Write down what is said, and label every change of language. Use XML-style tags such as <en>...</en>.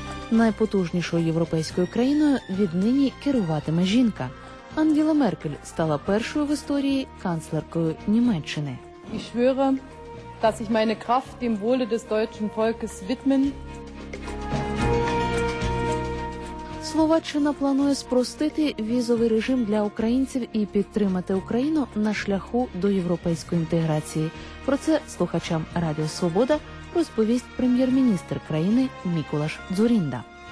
<uk>Найпотужнішою європейською країною віднині керуватиме жінка. Ангела Меркель стала першою в історії канцлеркою Німеччини.</uk> <de>Ich schwöre, dass ich meine Kraft dem Wohle des deutschen Volkes widmen.</de> <uk>Словаччина планує спростити візовий режим для українців і підтримати Україну на шляху до європейської інтеграції. Про це слухачам Радіо Свобода розповість прем'єр-міністр країни Мікулаш Дзурінда.</uk>